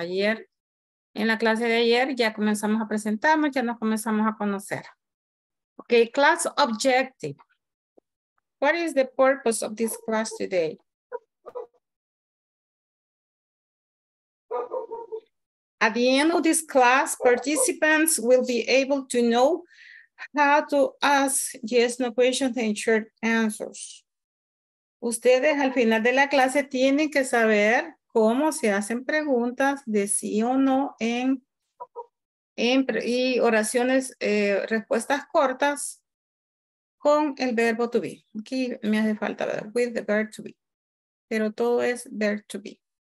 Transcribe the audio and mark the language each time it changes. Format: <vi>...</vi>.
<es>Ayer, en la clase de ayer, ya comenzamos a presentarnos, ya nos comenzamos a conocer.</es> <en>Okay, class objective. What is the purpose of this class today? At the end of this class, participants will be able to know how to ask yes, no questions and short answers.</en> <es>Ustedes al final de la clase tienen que saber cómo se hacen preguntas de sí o no y oraciones, respuestas cortas con el verbo to be. Aquí me hace falta, ¿verdad?</es> <en>With the verb to be.</en> <es>Pero todo es</es> <en>verb to be.</en>